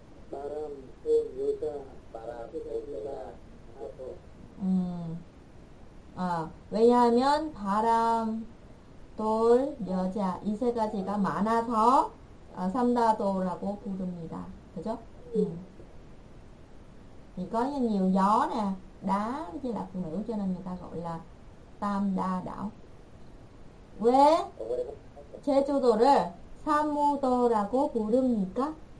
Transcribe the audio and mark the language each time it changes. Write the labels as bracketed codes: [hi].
[ko] 바람 그 여자 바람 여자 하고. 아 왜냐하면 바람 돌 여자 이 세 가지가 많아서 삼다도라고 부릅니다. 그죠? 응. [vi] Thì có nhiều gió nè, đá chứ là phụ nữ, cho nên người ta gọi là tam đa đảo. [ko] 왜 제주도를 삼무도라고 부릅니까?